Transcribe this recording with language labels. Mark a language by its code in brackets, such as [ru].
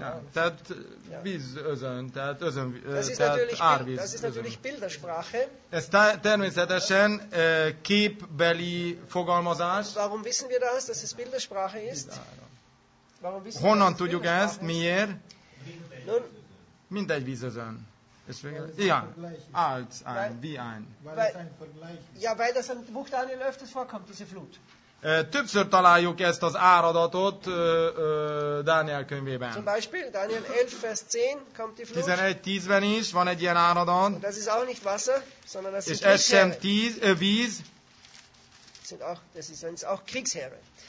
[hu] Ja, tehát vízözön, tehát özön, tehát árvíz. [de] Das ist natürlich Bildersprache. [hu] Ez természetesen képbeli fogalmazás. [de] Warum wissen wir das, dass es Bildersprache ist? [hu] Honnan tudjuk ezt? Miért? Mindegy vízözön. [de] Igen, als ein, wie ein. Ja, weil das im Buch Daniel öfters vorkommt, diese Flut. [hu] Többször találjuk ezt az áradatot Dániel könyvében. [de] Zum Beispiel Daniel 11 Vers 10 kommt die Flut. [hu] 11:10-ben is van egy ilyen áradat. [de] Das ist auch nicht Wasser, sondern das ist Kriegsheere. [hu] És ez sem tíz, víz. [de] Das ist auch Kriegsheere.